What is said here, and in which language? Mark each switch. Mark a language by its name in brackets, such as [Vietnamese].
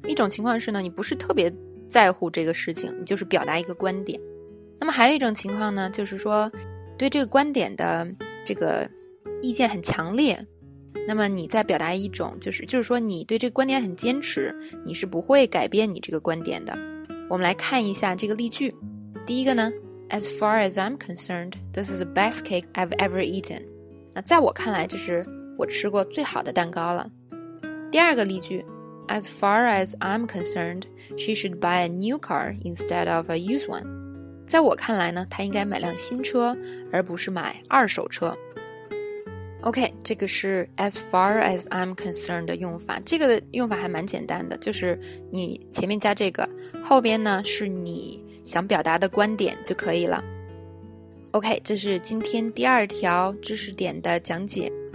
[Chinese] 一种情况是呢，你不是特别在乎这个事情，你就是表达一个观点。那么还有一种情况呢，就是说对这个观点的这个意见很强烈，那么你在表达一种就是说你对这个观点很坚持，你是不会改变你这个观点的。我们来看一下这个例句。第一个呢， [English] As far as I'm concerned, this is the best cake I've ever eaten. [Chinese] 那在我看来这是我吃过最好的蛋糕了。第二个例句， [English] As far as I'm concerned, she should buy a new car instead of a used one. [Chinese] 在我看来呢，她应该买辆新车而不是买二手车。 OK， 这个是 [English] as far as I'm concerned [Chinese] 的用法，这个用法还蛮简单的，就是你前面加这个，后边呢是你想表达的观点就可以了。 OK， 这是今天第二条知识点的讲解。